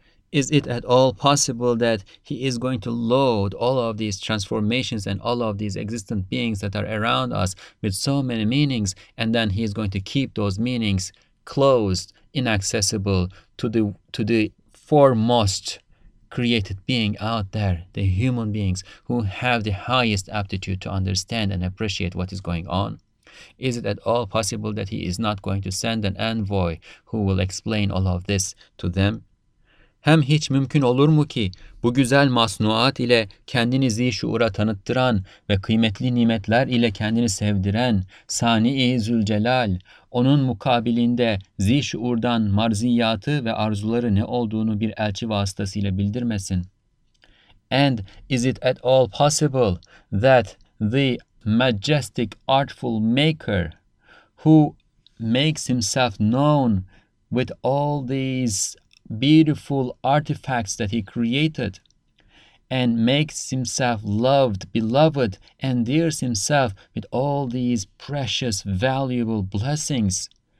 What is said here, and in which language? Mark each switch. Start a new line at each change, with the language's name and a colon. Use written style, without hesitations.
English: Is it at all possible that he is going to load all of these transformations and all of these existent beings that are around us with so many meanings, and then he is going to keep those meanings closed, inaccessible to the foremost created being out there, the human beings who have the highest aptitude to understand and appreciate what is going on? Is it at all possible that he is not going to send an envoy who will explain all of this to them?
Turkish: Hem hiç mümkün olur mu ki bu güzel masnuat ile kendinizi şuura tanıttıran ve kıymetli nimetler ile kendini sevdiren Sani-i Zülcelal, onun mukabilinde zişuurdan marziyatı ve arzuları ne olduğunu bir elçi vasıtasıyla bildirmesin?
English: And is it at all possible that the majestic artful maker who makes himself known with all these beautiful artifacts that he created and makes himself loved, beloved, and endears himself with all these precious, valuable blessings.